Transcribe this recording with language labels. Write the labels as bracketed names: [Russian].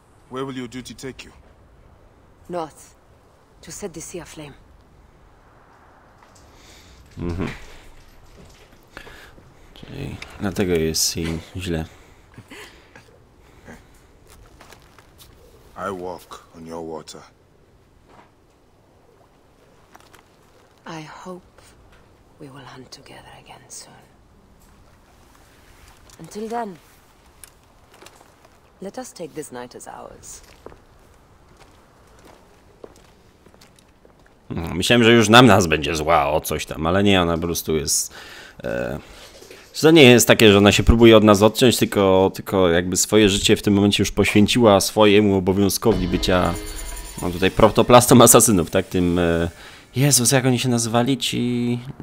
[English] Where will your duty take you? North, to set the sea aflame. [Polish] Czyli dlatego jest jej źle. [English] I walk on your water. I hope we will hunt together again soon. Until then. Let us take this night as ours. [Polish] Myślałem, że już nam nas będzie zła o coś tam, ale nie, ona po prostu jest... To nie jest takie, że ona się próbuje od nas odciąć, tylko jakby swoje życie w tym momencie już poświęciła swojemu obowiązkowi bycia... Mam tutaj protoplastą asasynów, tak? Tym... Jezus, jak oni się nazywali? Ci...